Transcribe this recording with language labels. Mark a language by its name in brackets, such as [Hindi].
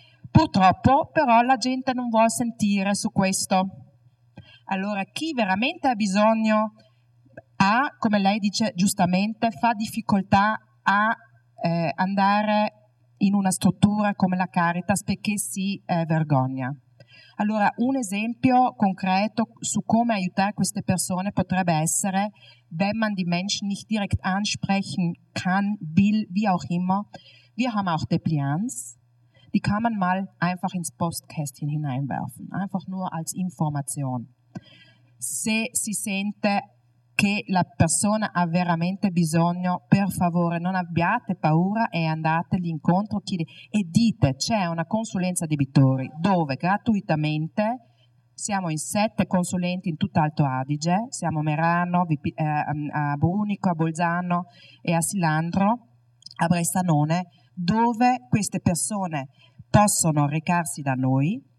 [Italian] Purtroppo però la gente non vuole sentire su questo. Allora chi veramente ha bisogno, ha, come lei dice giustamente, fa difficoltà a andare in una struttura come la Caritas perché si vergogna. Allora, un esempio concreto su come aiutare queste persone potrebbe essere, [German] wenn man die Menschen nicht direkt ansprechen kann, will, wie auch immer, wir haben auch Deplians, die kann man mal einfach ins Postkästchen hineinwerfen, einfach nur als Information. [Italian] Se si sente che la persona ha veramente bisogno, per favore non abbiate paura e andate all'incontro e dite, c'è una consulenza debitori dove gratuitamente siamo in 7 consulenti in tutt'Alto Adige, siamo a Merano, a Brunico, a Bolzano e a Silandro, a Bressanone, dove queste persone possono recarsi da noi,